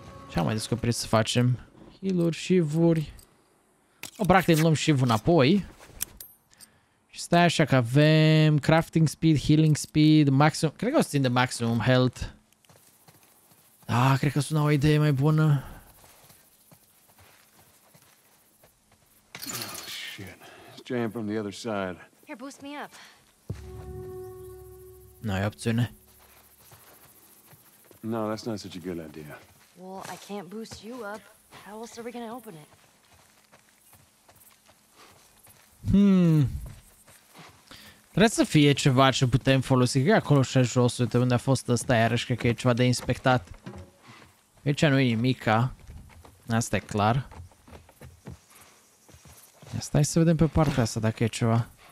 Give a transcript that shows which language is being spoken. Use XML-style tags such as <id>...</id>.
<ro>Ce am mai descoperit să facem? Heal-uri, shiv-uri. O, practic luăm shiv-ul înapoi. Și stai așa că avem crafting speed, healing speed, maximum, cred că o să țin de maximum health. Da, cred că sună o idee mai bună.</ro> <en>Oh, shit, it's jammed from the other side. Here, boost me up.</en> <ro>N-ai opțiune.</ro> <en>No, that's not such a good idea. Well, I can't boost you up. How else are we gonna open it?</en> <ro>Trebuie să fie ceva ce putem folosi, că acolo și jos, uite unde a fost ăsta, iarăși cred că e ceva de inspectat. Aici nu e nimica, asta e clar. Ia stai să vedem pe partea asta dacă e ceva.</ro>